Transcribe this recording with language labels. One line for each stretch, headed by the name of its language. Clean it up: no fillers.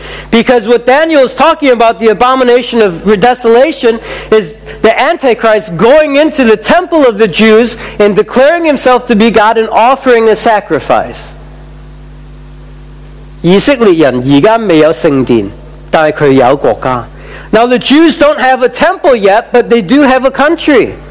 English: Because what Daniel is talking about, the abomination of desolation, is the Antichrist going into the temple of the Jews and declaring himself to be God and offering a sacrifice.
Chinese: 以色列人现在没有圣殿, 但是他有国家。
English: Now the Jews don't have a temple yet, but they do have a country.